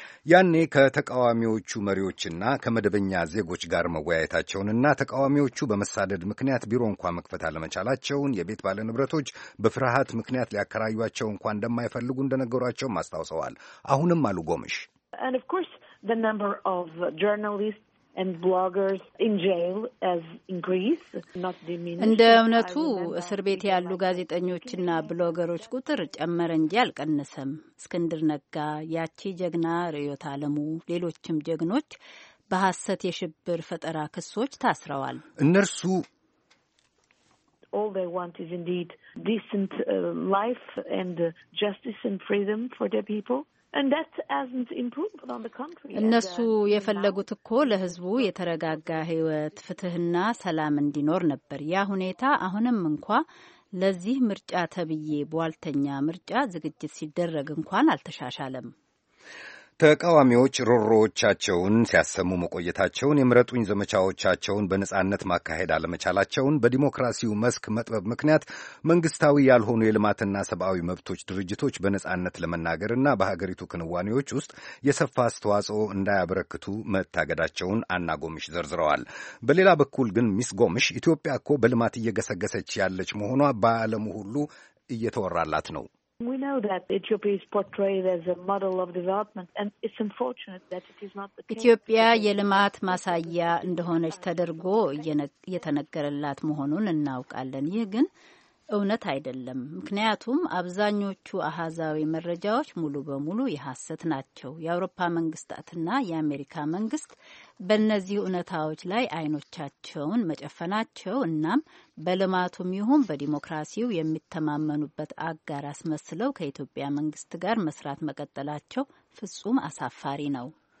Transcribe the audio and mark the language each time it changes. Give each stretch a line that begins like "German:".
Amharic: ያኔ ከተቃዋሚዎቹ መሪዎችና ከመደበኛ ዜጎች ጋር መወያየታቸውንና ተቃዋሚዎቹ በመሳደድ ምክንያት ቢሮ እንኳ መክፈት አለመቻላቸውን፣ የቤት ባለንብረቶች በፍርሃት ምክንያት ሊያከራዩቸው እንኳ እንደማይፈልጉ እንደነገሯቸውም አስታውሰዋል። አሁንም አሉ ጎምሽ
English: And of course, the number of journalists and bloggers in jail as in Greece not diminished
Amharic: እንደ እውነቱ እስር ቤት ያሉ ጋዜጠኞችና ብሎገሮች ቁጥር ጨመረ እንጂ አልቀነሰም። እስክንድር ነጋ፣ ያቺ ጀግና ርዕዮት ዓለሙ፣ ሌሎችም ጀግኖች በሐሰት የሽብር ፈጠራ ክሶች ታስረዋል። እነርሱ
English: All they want is indeed decent life and justice and freedom for their people. And that hasn't improved on the country.
Amharic: እነሱ የፈለጉት እኮ ለህዝቡ የተረጋጋ ህይወት፣ ፍትህና ሰላም እንዲኖር ነበር። ያ ሁኔታ አሁንም እንኳ ለዚህ ምርጫ ተብዬ ቧልተኛ ምርጫ ዝግጅት ሲደረግ እንኳን አልተሻሻለም። ተቃዋሚዎች ሮሮዎቻቸውን ሲያሰሙ መቆየታቸውን፣ የምረጡኝ ዘመቻዎቻቸውን በነጻነት ማካሄድ አለመቻላቸውን፣ በዲሞክራሲው መስክ መጥበብ ምክንያት መንግስታዊ ያልሆኑ የልማትና ሰብአዊ መብቶች ድርጅቶች በነጻነት ለመናገርና በሀገሪቱ ክንዋኔዎች ውስጥ የሰፋ አስተዋጽኦ እንዳያበረክቱ መታገዳቸውን አና ጎምሽ ዘርዝረዋል። በሌላ በኩል ግን ሚስ ጎምሽ ኢትዮጵያ እኮ በልማት እየገሰገሰች ያለች መሆኗ በዓለሙ ሁሉ እየተወራላት ነው።
English: We know that Ethiopia is portrayed as a model of development and it's unfortunate that it is not the case.
Amharic: ኢትዮጵያ የልማት ማሳያ እንደሆነች ተደርጎ የተነገረላት መሆኑን እናውቃለን። ይህ ግን እውነት አይደለም። ምክንያቱም አብዛኞቹ አሃዛዊ መረጃዎች ሙሉ በሙሉ የሐሰት ናቸው። የአውሮፓ መንግስታትና የአሜሪካ መንግስት በእነዚህ እውነታዎች ላይ አይኖቻቸውን መጨፈናቸው እናም በልማቱም ይሁን በዲሞክራሲው የሚተማመኑበት አጋር አስመስለው ከኢትዮጵያ መንግስት ጋር መስራት መቀጠላቸው ፍጹም አሳፋሪ ነው።